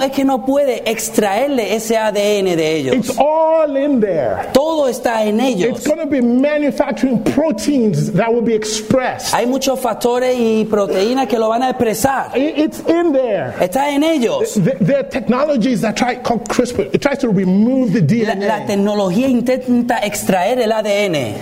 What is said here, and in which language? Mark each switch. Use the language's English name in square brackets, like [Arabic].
[Spanish] es que no puedes extraerle ese ADN de ellos. [English] It's all in there. [Spanish] Todo está en ellos. [English] It's going to be manufacturing proteins that will be expressed. [Spanish] Hay muchos factores y proteínas que lo van a expresar. [English] It's in there. [Spanish] Está en ellos. [English] There are technologies that try called CRISPR. It tries to remove the DNA. [Spanish] La tecnología intenta extraer el ADN.